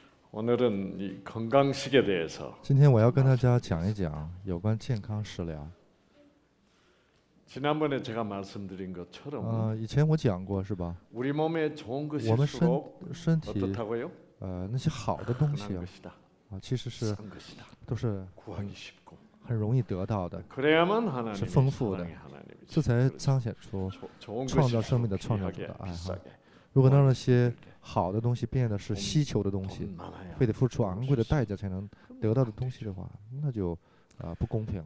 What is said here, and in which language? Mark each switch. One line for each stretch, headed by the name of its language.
Korean: 오늘은 이 건강식에 대해서.
Chinese: 今天我要跟大家讲一讲有关健康食疗.
Korean: 지난번에 제가 말씀드린 것처럼
Chinese: 以前我讲过是吧?
Korean: 우리 몸에 좋은 것일수록 어떻다고요?
Chinese: 那些好的东西啊, 其实是
Korean: 구하기 쉽고
Chinese: 很容易得到的.
Korean: 그래야만 하나님
Chinese: 是丰富的.这才彰显出创造生命的创造者的爱. 如果让那些好的东西变得是稀求的东西, 非得付出昂贵的代价才能得到的东西的话, 那就 不公平了.